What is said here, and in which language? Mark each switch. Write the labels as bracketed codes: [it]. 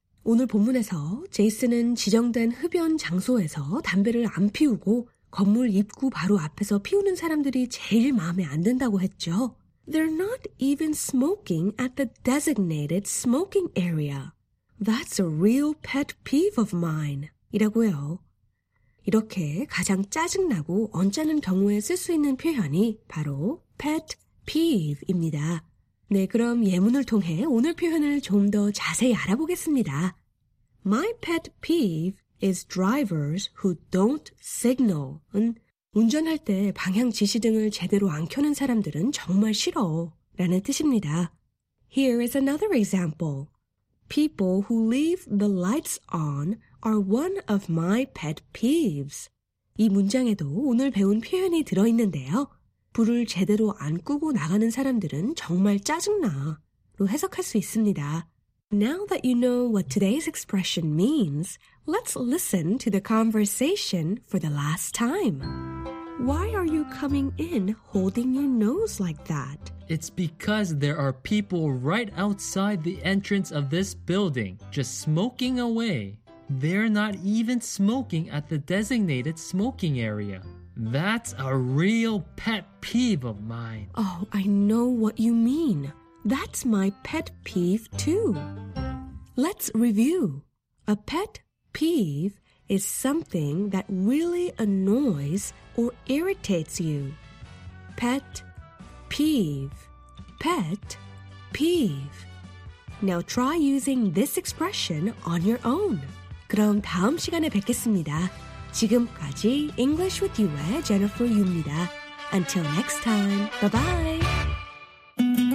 [ko] 오늘 본문에서 제이슨은 지정된 흡연 장소에서 담배를 안 피우고 건물 입구 바로 앞에서 피우는 사람들이 제일 마음에 안 든다고 했죠. [en] They're not even smoking at the designated smoking area. That's a real pet peeve of mine. [ko] 이라고요. 이렇게 가장 짜증나고 언짢은 경우에 쓸 수 있는 표현이 바로 pet peeve입니다. 네, 그럼 예문을 통해 오늘 표현을 좀 더 자세히 알아보겠습니다. [en] My pet peeve is drivers who don't signal. [ko] 운전할 때 방향 지시등을 제대로 안 켜는 사람들은 정말 싫어 라는 뜻입니다. [en] Here is another example. People who leave the lights on are one of my pet peeves. [ko] 이 문장에도 오늘 배운 표현이 들어있는데요. 불을 제대로 안 끄고 나가는 사람들은 정말 짜증나 로 해석할 수 있습니다. [en] Now that you know what today's expression means, let's listen to the conversation for the last time. Why are you coming in holding your nose like that? It's because there are people right outside the entrance of this building, just smoking away. They're not even smoking at the designated smoking area. That's a real pet peeve of mine. Oh, I know what you mean. That's my pet peeve too. Let's review. A pet peeve is something that really annoys or irritates you. Pet peeve. Pet peeve. Now try using this expression on your own. [ko] 그럼 다음 시간에 뵙겠습니다. 지금까지 English with You의 Jennifer Yu입니다. [en] Until next time, bye-bye!